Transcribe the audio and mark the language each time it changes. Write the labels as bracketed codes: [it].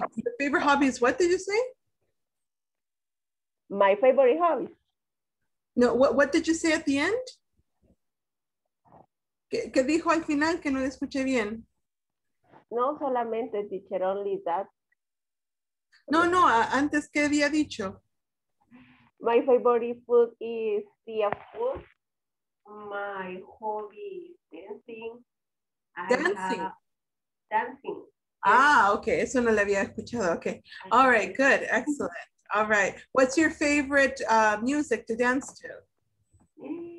[en] Your favorite hobby is what, did you say? My favorite hobby. No, what did you say at the end? [es] ¿Qué dijo al final que no le escuché bien? No, solamente [en] teacher, only that. [es] No, no, antes, ¿qué había dicho? [en] My favorite food is seafood. My hobby is dancing. Dancing. Dancing. [es] Ah, okay, eso no lo había escuchado, okay. [en] All right, good, excellent. All right, what's your favorite music to dance to?